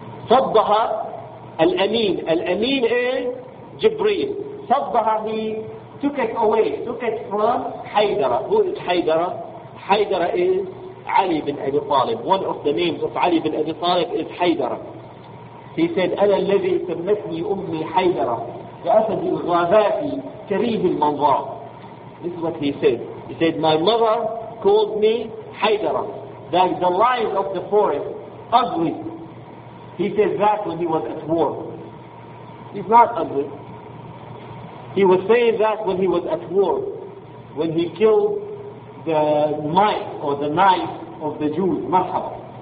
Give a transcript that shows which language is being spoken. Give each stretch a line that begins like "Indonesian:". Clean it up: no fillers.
Arabic: فَضَّهَ الْأَمِينُ.
English: الْأَمِينُ is Jibreel. فَضَّهَ, he took it away, took it from حَيْدَرَ. Who is حَيْدَرَ? حَيْدَرَ is Ali bin Abi Talib. One of the names of Ali bin Abi Talib is حَيْدَرَ. He said,
Arabic: أَلَا الَّذِي سَمَّتْنِي أُمِّي حَيْدَرَ فَأَسَدِ الْغَابَاتِ كَرِيهِ الْمَنْظَرَ.
English: This is what he said. He said, my mother called me Haydara, that the lion of the forest, ugly. He said that when he was at war. He's not ugly. He was saying that when he was at war, when he killed the knight or the knife of the Jews, Marhaba.